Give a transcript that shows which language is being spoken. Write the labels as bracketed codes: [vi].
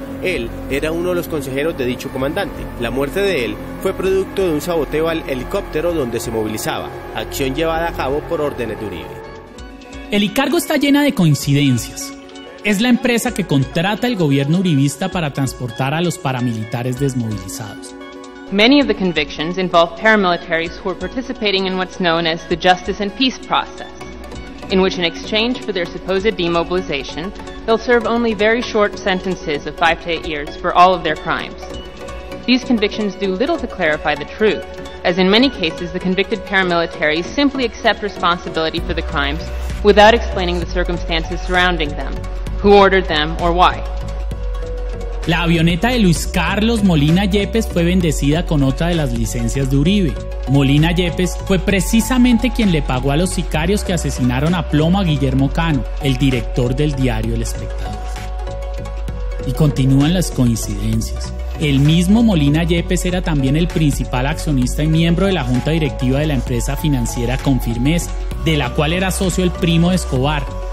[es] Él era uno de los consejeros de dicho comandante. La muerte de él fue producto de un saboteo al helicóptero donde se movilizaba, acción llevada a cabo por órdenes de Uribe. El Icargo está llena de coincidencias. Es la empresa que contrata el gobierno uribista para transportar a los paramilitares desmovilizados. [en] Many of the convictions involve paramilitaries who were participating in what's known as the justice and peace process, in which in exchange for their supposed demobilization, they'll serve only very short sentences of 5 to 8 years for all of their crimes. These convictions do little to clarify the truth, as in many cases the convicted paramilitaries simply accept responsibility for the crimes without explaining the circumstances surrounding them, who ordered them, or why. [es] La avioneta de Luis Carlos Molina Yepes fue bendecida con otra de las licencias de Uribe. Molina Yepes fue precisamente quien le pagó a los sicarios que asesinaron a plomo a Guillermo Cano, el director del diario El Espectador. Y continúan las coincidencias. El mismo Molina Yepes era también el principal accionista y miembro de la junta directiva de la empresa financiera Confirmes, de la cual era socio el primo de Escobar.